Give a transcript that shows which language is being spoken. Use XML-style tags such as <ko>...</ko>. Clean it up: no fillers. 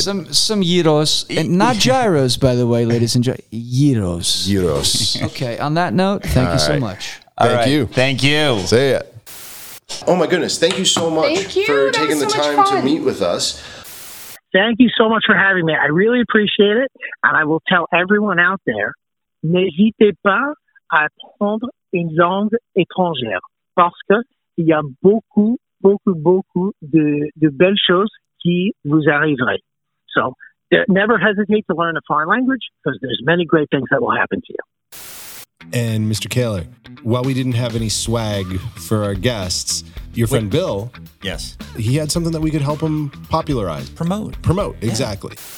<en>some gyros, and not gyros, by the way, ladies and gentlemen. Gyros. Gyros. Okay. On that note, thank you so much. Thank you. Thank you. See ya. Oh my goodness! Thank you so much for taking the time to meet with us. Thank you so much for having me. I really appreciate it, and I will tell everyone out there:</en> <fr>n'hésitez pas à prendre une langue étrangère, parce qu'il y a beaucoup, beaucoup, beaucoup de belles choses qui vous arriveraient.</fr> <en>So, never hesitate to learn a foreign language, because there's many great things that will happen to you. And Mr. Kahler, while we didn't have any swag for our guests, your friend Bill, yes, he had something that we could help him popularize. Promote, yeah. Exactly.</en>